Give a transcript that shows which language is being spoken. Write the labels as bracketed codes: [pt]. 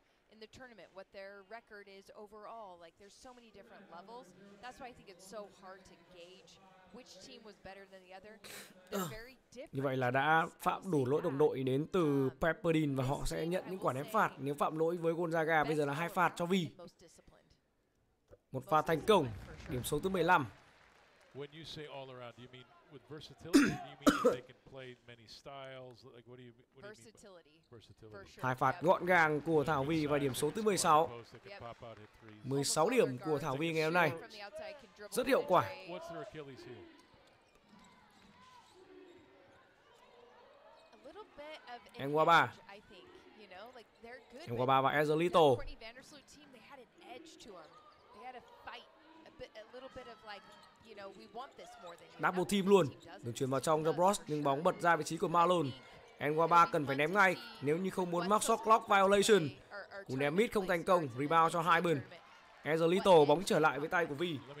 [en] In the tournament, what their record is overall, like there's so many different levels. That's why I think it's so hard to gauge which team was better than the other. Very different. [vi] Như vậy là đã phạm đủ lỗi đồng đội đến từ Pepperdine và họ sẽ nhận những quả ném phạt. Nếu phạm lỗi với Gonzaga bây giờ là hai phạt cho Vi. Một pha thành công, điểm số thứ 15. [en] When you say all around, do you mean with versatility? Do you mean they can play many styles? Like what do you mean? Versatility. Versatility. [vi] Hai phạt gọn gàng của Thảo Vy và điểm số thứ 16. 16 điểm của Thảo Vy ngày hôm nay. Rất hiệu quả. [en] What's their Achilles heel? A little bit of Enguaba. I think, you know, like they're good. [vi] Enguaba và Ezolito. [en] They had an edge to them. They had a fight. A little bit of like, you know, we want this more than you. [vi] Double team luôn. Đường chuyền vào trong cho Bros nhưng bóng bật ra vị trí của Malone. Enguaba cần phải ném ngay nếu như không muốn mắc shot clock violation. Cú ném mid không thành công, rebound cho Hybern. Ezolito bóng trở lại với tay của Vi.